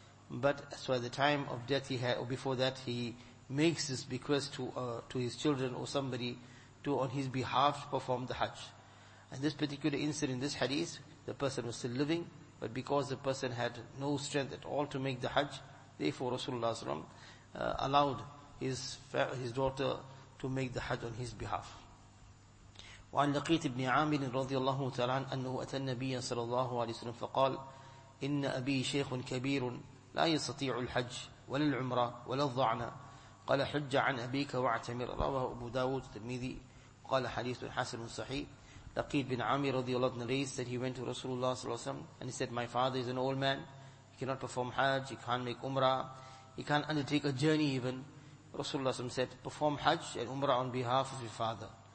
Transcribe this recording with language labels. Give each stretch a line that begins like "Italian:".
English: But so at the time of death he had, or before that, he makes this bequest to his children or somebody to on his behalf perform the Hajj. And this particular incident in this hadith, the person was still living, but because the person had no strength at all to make the Hajj, therefore Rasulullah SAW allowed his daughter to make the Hajj on his behalf.
Arabic: وعن لقيت بن عامر رضي الله تعالى أنه أتى النبي صلى الله عليه وسلم فقال إن أبي شيخ كبير لا يستطيع الحج ولا العمرة ولا الضعنة قال حج عن أبيك واعتمر. رواه أبو داود الترمذي. قال حديث حسن صحيح.
English: لقيت بن عامر رضي الله عنه narrates that he went to Rasulullah صلى الله عليه وسلم and he said, my father is an old man, he cannot perform Hajj, he can't make Umrah, he can't undertake a journey even. Rasulullah said, perform Hajj and Umrah on behalf of your father.